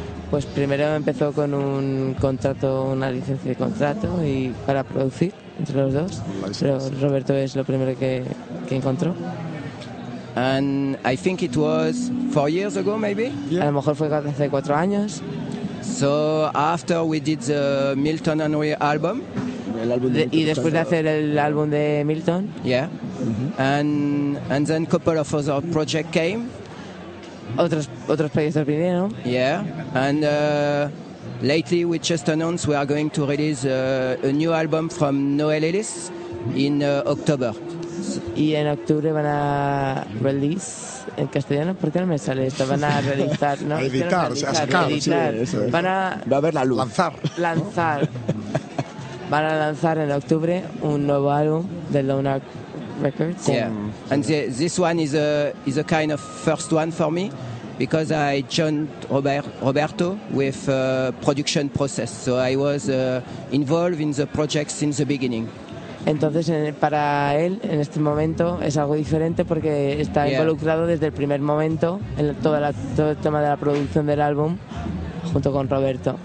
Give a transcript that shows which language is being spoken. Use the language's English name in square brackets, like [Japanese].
[Spanish] Pues primero empezó con un contrato, una licencia de contrato y para producir entre los dos. Pero Roberto es lo primero que encontró. [English] And I think it was 4 years ago, maybe. [Spanish] Yeah. A lo mejor fue hace 4 años. [English] So after we did the Milton and Rio album, [Spanish] el álbum de Milton, y después de hacer el álbum de Milton, [English] yeah, mm-hmm, and then couple of other project came. [Spanish] Otros proyectos vinieron. [English] Yeah, and lately we just announced we are going to release a new album from Noel Ellis in October. [Spanish] Y en octubre van a release. En castellano, ¿por qué no me sale esto? Van a realizar, ¿no? Editar, o sea, sacar, editar. Sí, eso es. Van a... Va a haber la luz. Lanzar. ¿No? Van a lanzar en octubre un nuevo álbum de Lonark Records. [English] Yeah. And this one is a kind of first one for me, because I joined Roberto with production process. So I was involved in the project since the beginning. [Spanish] Entonces, para él, en este momento, es algo diferente porque está involucrado desde el primer momento en todo el tema de la producción del álbum junto con Roberto.